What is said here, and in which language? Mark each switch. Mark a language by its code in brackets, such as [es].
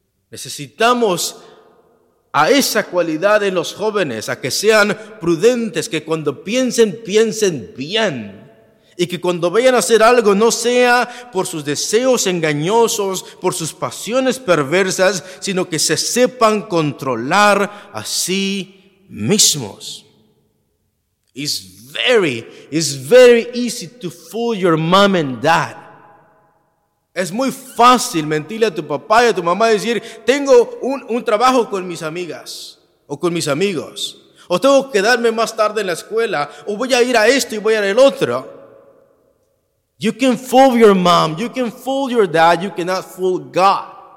[es] Necesitamos a esa cualidad en los jóvenes, a que sean prudentes, que cuando piensen, piensen bien. Y que cuando vayan a hacer algo, no sea por sus deseos engañosos, por sus pasiones perversas, sino que se sepan controlar a sí mismos. [en] It's very easy to fool your mom and dad. [es] Es muy fácil mentirle a tu papá y a tu mamá y decir, tengo un trabajo con mis amigas o con mis amigos. O tengo que quedarme más tarde en la escuela. O voy a ir a esto y voy a ir al otro. [en] You can fool your mom, you can fool your dad, you cannot fool God.